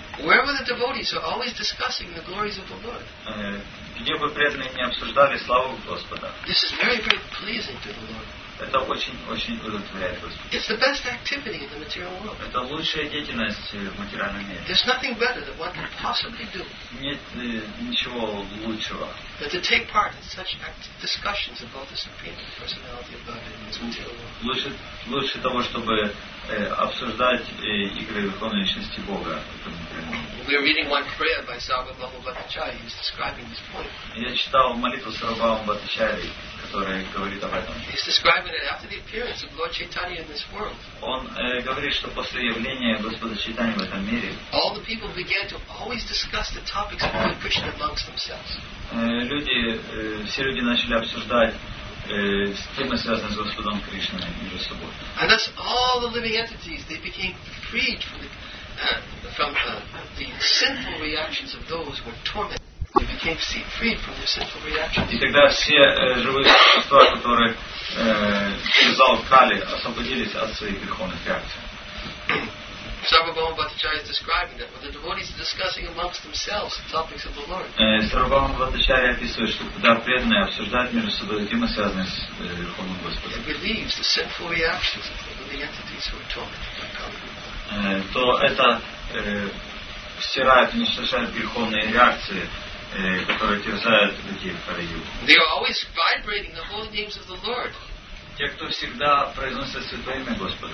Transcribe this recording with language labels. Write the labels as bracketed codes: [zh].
[ru] Где бы преданные не обсуждали славу Господа. [en] This is very, very pleasing to the Lord. [ru] Это очень-очень удовлетворяет Господа. [en] It's the best activity in the material world. [ru] Это лучшая деятельность в материальном мире. [en] There's nothing better than one can possibly do. [ru] Нет ничего лучшего. [en] But to take part in such discussions about the Supreme Personality of God in the material world. [ru] Лучше того, чтобы обсуждать игры Верховной Личности Бога. [en] We're reading one prayer by Sarvabhauma Bhattacharya. He's describing this point. [ru] Я читал молитву Сарвабхаума Бхаттачарьи, который говорит об этом. [en] He's describing it after the appearance of Lord Chaitanya in this world. [ru] Он говорит, что после явления Господа Чайтаньи в этом мире. [en] All the people began to always discuss the topics of Lord Krishna amongst themselves. [ru] Все люди начали обсуждать темы, связанные с Господом Кришной между собой. [en] And thus all the living entities, they became freed from the sinful reactions of those who were tormented. They became free from their sinful reactions. [ru] И тогда все живые существа, которые связал кали, освободились от своих греховных реакций. [en] Sarvabhauma Bhattacharya is describing that when the devotees are discussing amongst themselves the topics of the Lord. [ru] Sarvabhauma Bhattacharya описывает, что когда преданные обсуждают между собой темы, связанные с Верховным Господом. [en] It relieves the sinful reactions of the living entities who are tormented by kali. [ru] То это стирает, уничтожает греховные реакции, которые терзают людей в Кали-юге. [en] They are always vibrating the holy names of the Lord. [ru] Те, кто всегда произносит святое имя Господа.